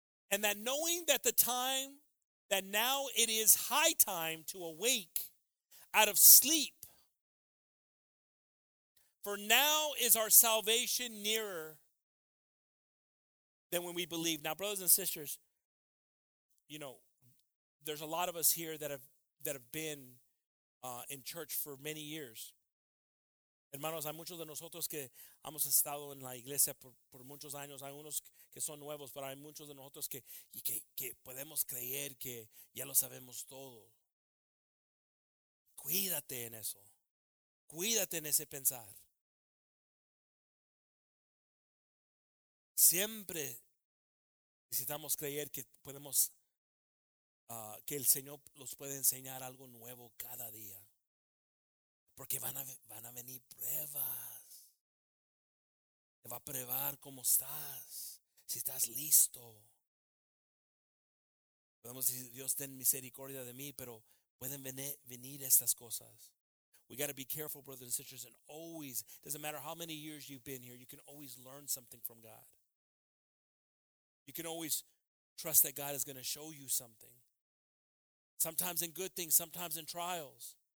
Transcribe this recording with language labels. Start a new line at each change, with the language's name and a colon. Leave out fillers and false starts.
English: And that knowing that the time, that now it is high time to awake out of sleep, for now is our salvation nearer than when we believed. Now, brothers and sisters, you know, there's a lot of us here that have been in church for many years.
Spanish: Hermanos, hay muchos de nosotros que hemos estado en la iglesia por muchos años. Hay unos que son nuevos, pero hay muchos de nosotros que podemos creer que ya lo sabemos todo. Cuídate en eso. Cuídate en ese pensar. Siempre necesitamos creer que podemos, que el Señor los puede enseñar algo nuevo cada día. Porque van a venir pruebas. Te va a probar cómo estás, si estás listo. Podemos decir, Dios ten misericordia de mí, pero pueden venir estas cosas.
English: We got to be careful, brothers and sisters, and always, doesn't matter how many years you've been here, you can always learn something from God. You can always trust that God is going to show you something. Sometimes in good things, sometimes in trials.